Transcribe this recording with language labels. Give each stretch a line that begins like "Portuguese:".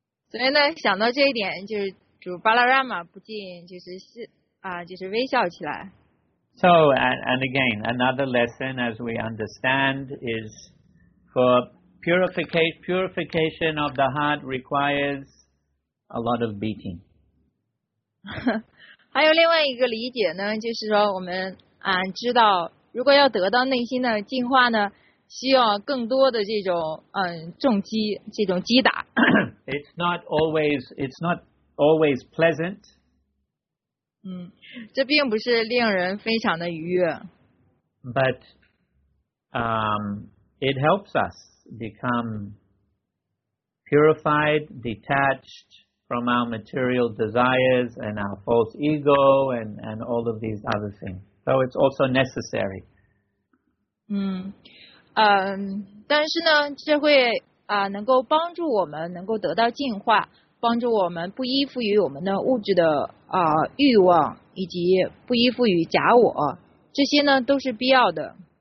Chinese: 所以呢，想到这一点，就是主巴拉拉玛不禁就是就是微笑起来。
English: So and again, another lesson as we understand is for. Purification of the heart requires a lot of beating.
Chinese: 还有另外一个理解呢，就是说我们知道，如果要得到内心的净化呢，需要更多的这种重击，这种击打。
English: It's not always pleasant.
Chinese: 这并不是令人非常的愉悦。
English: But it helps us. Become purified, detached from our material desires and our false ego and all of these other things. So it's also necessary.
Chinese: 但是呢，这会能够帮助我们能够得到净化，帮助我们不依附于我们的物质的欲望，以及不依附于假我，这些呢都是必要的。